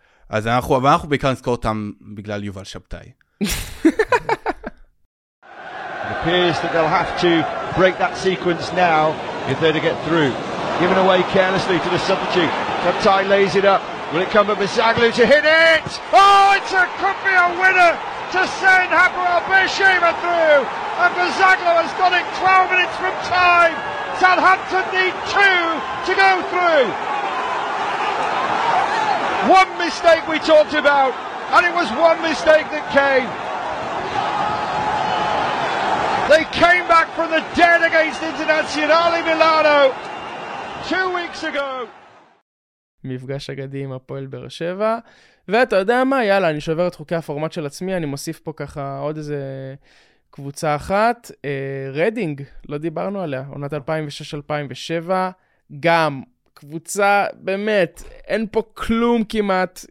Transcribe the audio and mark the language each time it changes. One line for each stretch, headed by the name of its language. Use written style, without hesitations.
Hebrew: אז אנחנו בעיקר נזכור אותם בגלל יובל שבתאי.
English: It appears that they'll have to break that sequence now if they're to get through. Given away carelessly to the substitute, Kaptai lays it up. Will it come up with Zaglu to hit it? Oh, it could be a winner to send Hapoel Beersheba through. And Zaglu has got it 12 minutes from time. Southampton need two to go through. One mistake we talked about. And it was one mistake that came. They came back from the dead against Internazionale Milano 2 weeks ago.
Hebrew: מפגש אגדי עם הפועל באר שבע. ואתה יודע מה? יאללה, אני שובר את חוקי הפורמט של עצמי. אני מוסיף פה ככה עוד איזה קבוצה אחת. רדינג, לא דיברנו עליה. עונת 2006-2007. גם קבוצה, באמת, אין פה כלום כמעט.